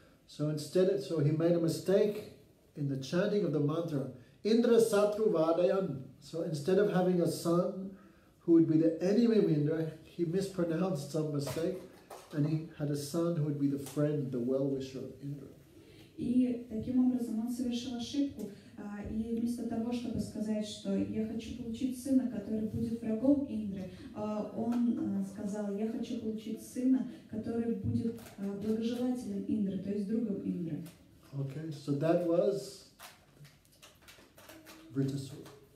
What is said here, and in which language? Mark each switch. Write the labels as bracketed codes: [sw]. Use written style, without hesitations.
[en] So he made a mistake in the chanting of the mantra. Indra Satru Vadayan. So instead of having a son who would be the enemy of Indra, he mispronounced some mistake and he had a son who would be the friend, the well-wisher of Indra. [ru] И таким образом он совершил ошибку, и вместо того, чтобы сказать, что я хочу получить сына, который будет врагом Индры, он сказал, я хочу получить сына, который будет благожелателем Индры, то есть другом Индры. [en] Okay, so that was Vritasura.